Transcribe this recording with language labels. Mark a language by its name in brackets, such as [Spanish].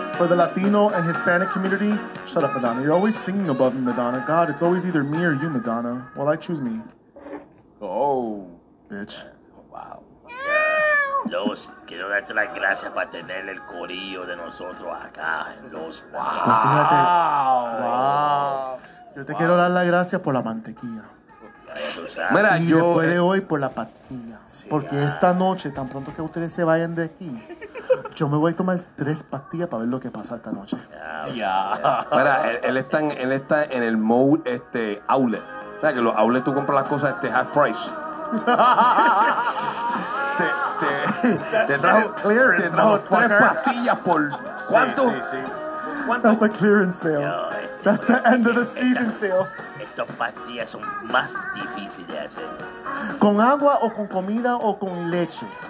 [English] For the Latino and Hispanic community, shut up, Madonna. You're always singing above me, Madonna. God, it's always either me or you, Madonna. Well, I choose me. Oh, bitch. Wow. [Spanish] Los, quiero darte las gracias para tener el corillo de nosotros acá. Los. Wow. Yo te quiero dar las gracias por la mantequilla. Mira, y yo, después de hoy por la pastilla. Sí, porque esta noche, tan pronto que ustedes se vayan de aquí, yo me voy a tomar 3 pastillas para ver lo que pasa esta noche. Mira, él está en el mode outlet. O sea, que los outlets tú compras las cosas half price. te trajo 3 pastillas por ¿cuánto? [English] ¿Cuánto? That's a clearance sale. Yo, that's the end of the season sale. [Spanish] Estas pastillas son más difíciles de hacer. ¿Con agua o con comida o con leche?